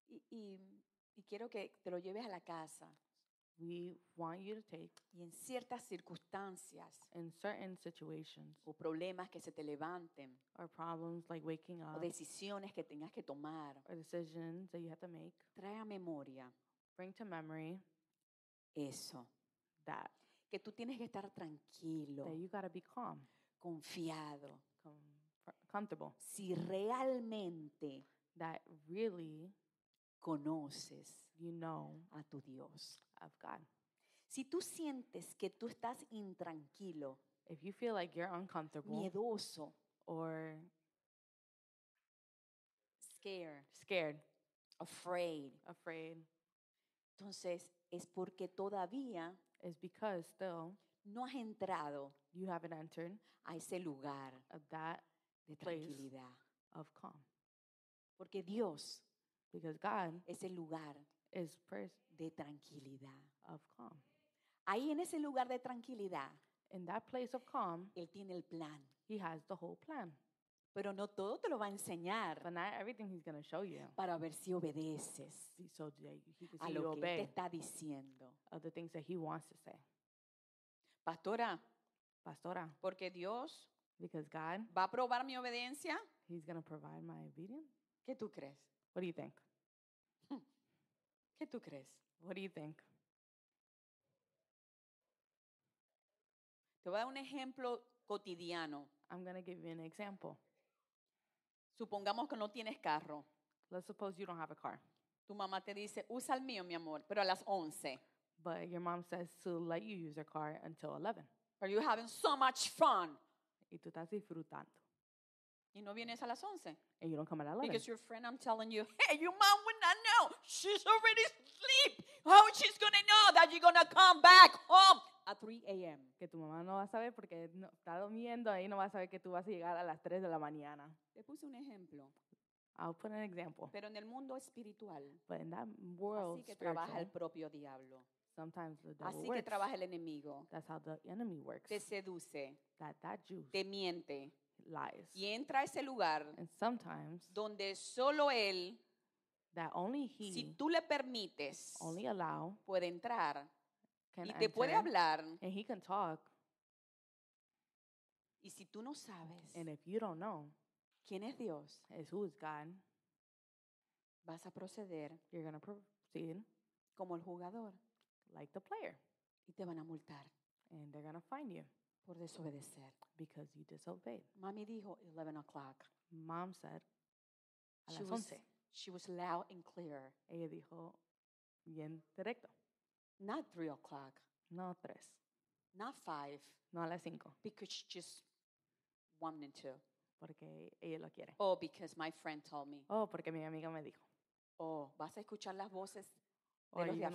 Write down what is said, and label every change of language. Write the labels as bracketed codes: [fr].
[es] y quiero que te lo lleves a la casa [en] We want you to take [es] y en ciertas circunstancias [en] in certain situations [es] o problemas que se te levanten [en] or problems like waking up [es] o decisiones que tengas que tomar [en] or decisions that you have to make [es] trae a memoria [en] bring to memory [es] eso [en] that [es] que tú tienes que estar tranquilo [en] that you gotta be calm [es] confiado [en] comfortable [es] si realmente [en] that really [es] conoces [en] you know [es] a tu Dios [en] of God. [es] Si tú sientes que tú estás intranquilo, [en] if you feel like you're uncomfortable, [es] miedoso, [en] or scared, afraid, [es] entonces es porque todavía [en] is because still [es] no has entrado [en] you haven't entered [es] a ese lugar [en] of that [es] de tranquilidad [en] place of calm. [es] Porque Dios [en] because God [es] es el lugar [en] is first [es] de tranquilidad [en] of calm. [es] Ahí en ese lugar de tranquilidad [en] in that place of calm [es] él tiene el plan [en] he has the whole plan [es] pero no todo te lo va a enseñar [en] but not everything he's going to show you [es] para ver si obedeces [en] so he [es] a lo que [en] obey [es] te está diciendo [en] of the things that he wants to say [es] pastora porque Dios [en] because God [es] va a probar mi obediencia [en] he's going to provide my obedience [es] ¿qué tú crees? [en] What do you think? [es] ¿Qué tú crees? [en] What do you think? [es] Te voy a dar un ejemplo cotidiano. [en] I'm going to give you an example. [es] Supongamos que no tienes carro. [en] Let's suppose you don't have a car. [es] Tu mamá te dice, usa el mío, mi amor, pero a las 11. [en] But your mom says to let you use your car until 11. Are you having so much fun? [es] Y tú estás disfrutando. Y no vienes a las 11. [en] And you don't come at 11. Because your friend, I'm telling you, hey, your mom would not know. She's already asleep. How she's going to know that you're going to come back home at 3 a.m.? [es] Que tu mamá no va a saber porque está durmiendo y no va a saber que tú vas a llegar a las 3 de la mañana. Te puse un ejemplo. [en] I'll put an example. [es] Pero en el mundo espiritual. [en] But in that world [es] así que trabaja el propio diablo. [en] Sometimes the devil [es] así [en] works. [es] Así que trabaja el enemigo. [en] That's how the enemy works. [es] Te seduce. [en] That juice. [es] Te miente. [en] Lies. [es] Y entra a ese lugar [en] and sometimes [es] donde solo él [en] that only he [es] si tú le permites [en] only allow [es] puede entrar [en] can [es] y [en] enter, [es] te puede hablar [en] and he can talk [es] y si tú no sabes [en] and if you don't know [es] quién es Dios [en] is who is God [es] vas a proceder [en] you're gonna proceed [es] como el jugador [en] like the player [es] y te van a multar [en] and they're gonna fine you [es] Por desobedecer. [en] Because you disobeyed. [es] Mami dijo 11 o'clock. [en] Mom said [es] a las 11. [en] She was loud and clear. [es] Ella dijo bien directo. [en] Not 3 o'clock. [es] No, 3. [en] Not 5. [es] No, a las 5. [en] Because she just wanted to. [es] Porque ella lo quiere. [en] Oh, because my friend told me. [es] Oh, porque mi amiga me dijo. Oh, ¿vas a escuchar las voces de los de afuera?